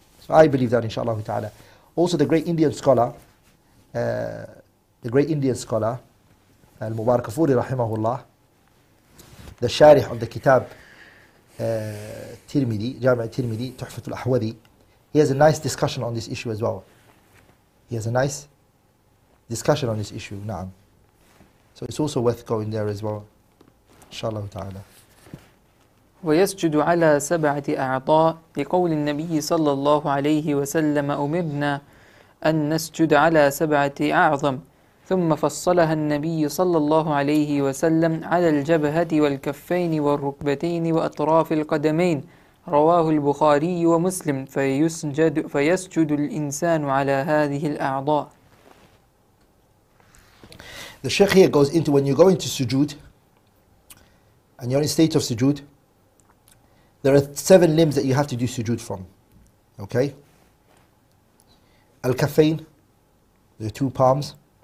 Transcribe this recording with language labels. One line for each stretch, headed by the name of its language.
English: So I believe that, inshaAllah ta'ala. Also the great Indian scholar, Al-Mubarakafuri rahimahullah, the sharih of the kitab, Tirmidhi, Jami' Tirmidhi, Tuhfatul Ahwadi, he has a nice discussion on this issue as well. Naam. So it's also worth going there as well.
Arabic: Inshallah ta'ala. ويسجد على سبعة أعضاء لقول النبي صلى الله عليه وسلم أمرنا أن نسجد على سبعة أعظم ثم فصلها النبي صلى الله عليه وسلم على الجبهة والكفين والركبتين وأطراف القدمين رواه البخاري ومسلم فيسجد الإنسان على هذه الأعضاء.
English: The Sheikh here goes into when you go into sujood and you're in state of sujood, there are seven limbs that you have to do sujood from. Okay? Al-kafain, the two palms.